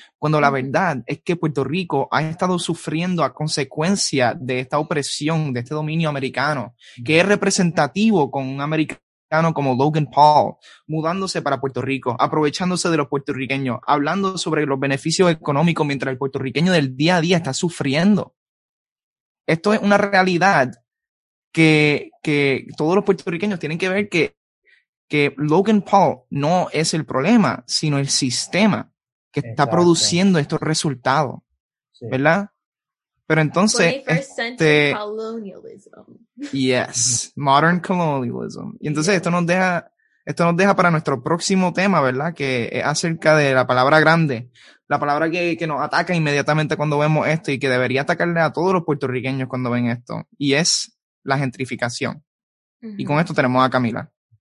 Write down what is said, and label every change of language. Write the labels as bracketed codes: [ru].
[es] Cuando la verdad es que Puerto Rico ha estado sufriendo a consecuencia de esta opresión, de este dominio americano, que es representativo con un americano como Logan Paul, mudándose para Puerto Rico, aprovechándose de los puertorriqueños, hablando sobre los beneficios económicos mientras el puertorriqueño del día a día está sufriendo. Esto es una realidad que todos los puertorriqueños tienen que ver que Logan Paul no es el problema, sino el sistema que está, exacto, produciendo estos resultados, sí, ¿verdad? Pero entonces... [en] 21st century colonialism. Yes, modern colonialism. [es] Y entonces, yeah, esto nos deja para nuestro próximo tema, ¿verdad? Que es acerca de la palabra grande. La palabra que nos ataca inmediatamente cuando vemos esto y que debería atacarle a todos los puertorriqueños cuando ven esto, y es la gentrificación. Uh-huh. Y con esto tenemos a Camila.